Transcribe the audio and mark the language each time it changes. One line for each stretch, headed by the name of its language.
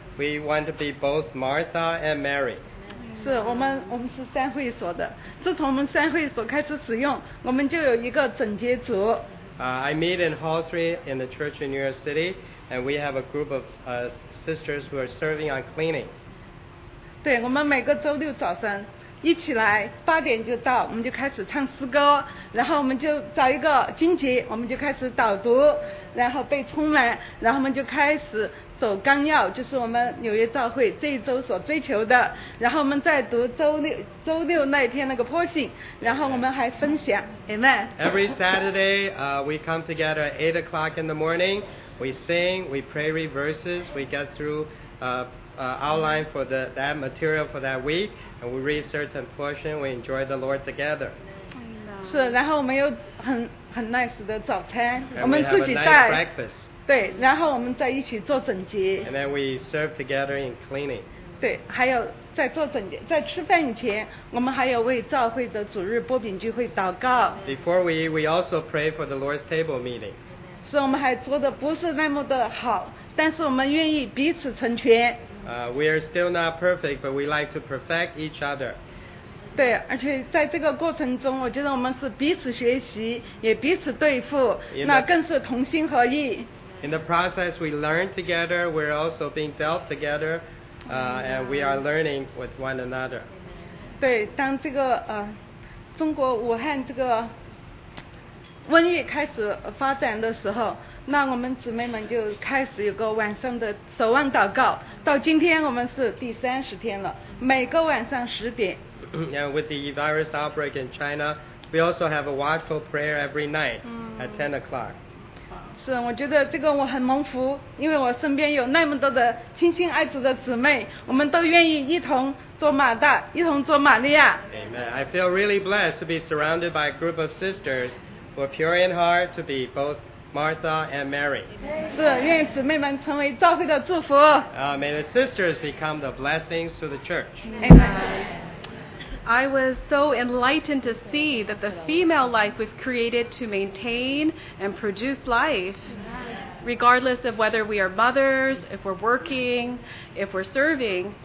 English: We want to be both Martha and Mary.
Chinese: 是我们是三会所的，自从我们三会所开始使用，我们就有一个整洁组。
English: I meet in Hall 3 in the church in New York City, and we have a group of sisters who are serving on cleaning.
Chinese: 对，我们每个周六早上。一起来八点就到我们就开始唱诗歌然后我们就找一个荆棘我们就开始导读然后被充满然后我们就开始走纲要就是我们纽约教会这一周所追求的然后我们再读周六那天那个波信然后我们还分享 Amen
English: Every Saturday、we come together at 8 o'clock in the morning we sing, we pray read verses we get through outline for that material for that week and we read certain portion we enjoy the Lord together
Chinese: 是然后我们有很 nice 的早餐
English: and
Chinese: 我们自己带
English: we have a nice breakfast
Chinese: 对然后我们在一起做整洁
English: and then we serve together in cleaning
Chinese: 对还有在做整洁在吃饭以前我们还有为教会的主日擘饼聚会祷告
English: before we eat we also pray for the Lord's table meeting
Chinese: 是我们还做的不是那么的好但是我们愿意彼此成全
English: We are still not perfect, but we like to perfect each other.
Chinese: 对，而且在这个过程中，我觉得我们是彼此学习，也彼此对付，那更是同心合意。
English: In the process, we learn together. We're also being dealt together, and we are learning with one another.
Chinese: 对，当这个中国武汉这个瘟疫开始发展的时候。那我们姊妹们就开始有个晚上的守望祷告到今天我们是第30天了每个晚上十点
English: And with the virus outbreak in China we also have a watchful prayer every night at 10 o'clock
Chinese: 是我觉得这个我很蒙福因为我身边有那么多的亲亲爱子的姊妹我们都愿意一同做马大一同做玛利亚
English: Amen I feel really blessed to be surrounded by a group of sisters who are pure in heart to be bothMartha and Mary.
Chinese: 是愿姊妹们成为教会的祝福。
English: May the sisters become the blessings to the church. I was so enlightened to see that the female life was created to maintain and produce life, regardless of whether we are mothers, if we're working, if we're serving.